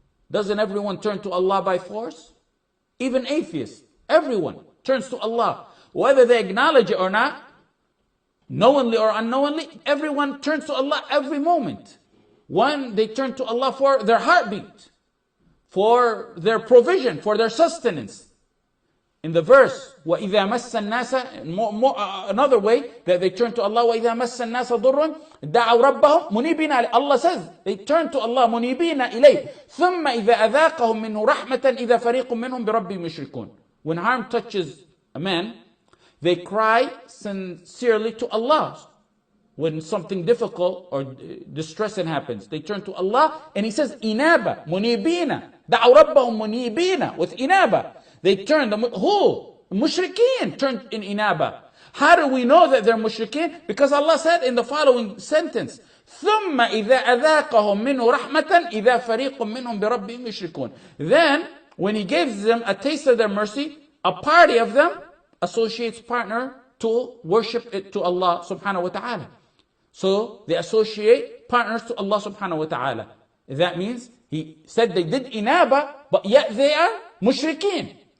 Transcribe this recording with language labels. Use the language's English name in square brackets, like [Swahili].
[English] Doesn't everyone turn to Allah by force? Even atheists, everyone turns to Allah. Whether they acknowledge it or not, knowingly or unknowingly, everyone turns to Allah every moment. One, they turn to Allah for their heartbeat, for their provision, for their sustenance. In the verse, [Arabic] وَإِذَا مَسَّ النَّاسَ, [English] another way that they turn to Allah, [Arabic] وَإِذَا مَسَّ النَّاسَ ضُرٌّ دَعَوْ رَبَّهُمْ مُنِيبِينَ عَلَيْهِ. [English] Allah says, they turn to Allah, [Arabic] مُنِيبِينَ إِلَيْهِ. ثُمَّ إِذَا أَذَاقَهُمْ مِنْهُ رَحْمَةً إِذَا فَرِيقٌ مِّنْهُمْ بِرَبِّهِمْ يُشْرِكُونَ. [English] When harm touches a man, they cry sincerely to Allah. When something difficult or distressing happens, they turn to Allah, and he says, [Arabic] إِنَابَ مُنِيبِينَ دَعَوْ رَبَّهُمْ مُنِيبِينَ [English] with inaba. They turn, who? Mushrikeen turned in inaba. How do we know that they're mushrikeen? Because Allah said in the following sentence, [Arabic] ثُمَّ إِذَا أَذَاقَهُمْ مِنْهُ رَحْمَةً إِذَا فَرِيقٌ مِّنْهُمْ بِرَبِّهِمْ يُشْرِكُونَ. [English] Then, when he gives them a taste of their mercy, a party of them associates partner to worship it to Allah subhanahu wa ta'ala. So, they associate partners to Allah subhanahu wa ta'ala. That means, he said they did inaba, but yet they are mushrikeen.